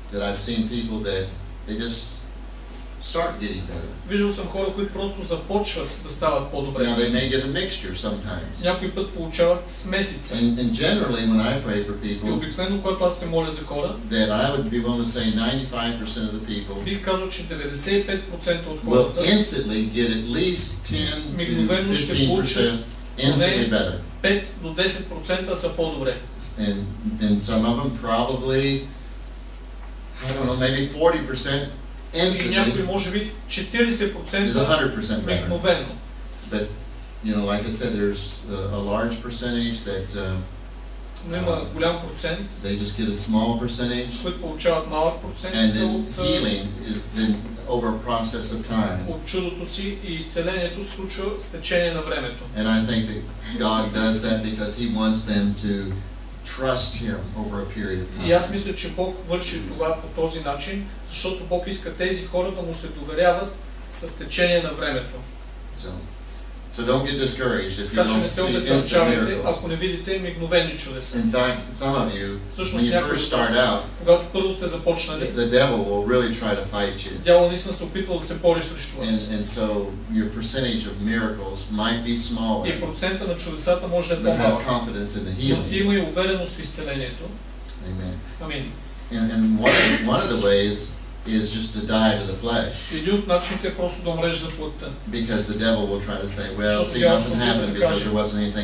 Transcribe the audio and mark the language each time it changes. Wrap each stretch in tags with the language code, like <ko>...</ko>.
<en>That I've seen people that they just start getting better.</en> <bg>Виждал съм хора, които просто започват да стават по-добре.</bg> <en>Now they may get a mixture sometimes.</en> <bg>Някой път получават смесица.</bg> <en>And generally when I pray for people,</en> <bg>и обикновено, когато аз се моля за хора,</bg> <en>that I would be willing to say 95% of the people,</en> <bg>бих казал, че 95% от хората</bg> <en>will instantly get at least 10-15% instantly better.</en> <bg>5-10% са по-добре.</bg> <en>And some of them probably, I don't know, maybe 40%.</en> <bg>Някой може би 40% мигновено.</bg> <en>But you know, like I said, there's a large percentage that</en> <bg>голям процент.</bg> <en>They just get a small percentage.</en> <bg>Които получават малък процент.</bg> <en>And then healing is then over a process of time.</en> <bg>От чудото си и изцелението се случва с течение на времето.</bg> <en>And I think that God does that because He wants them to trust him over a period of time.</en> <bg>И аз мисля, че Бог върши това по този начин, защото Бог иска тези хора да му се доверяват с течение на времето.</bg> <en>So don't get discouraged if you don't see instant miracles.</en> <bg>Ако не видите мигновени чудеса.</bg> <en>In fact, some of you,</en> <bg>всъщност,</bg> <en>when you first start out,</en> <bg>когато първо сте започнали,</bg> <en>the devil will really try to fight you.</en> <bg>Дяволът наистина се опитва да се бори срещу вас.</bg> <en>And so your percentage of miracles might be smaller.</en> <bg>И процента на чудесата може да е по-малък.</bg> <en>But have confidence in the healing.</en> <bg>Но ти има и увереност в изцелението.</bg> <en>Amen.</en> <bg>Амин.</bg> <en>And one of the ways is just to die to the flesh. Because the devil will try to say, well, see, nothing happened because there wasn't anything</en>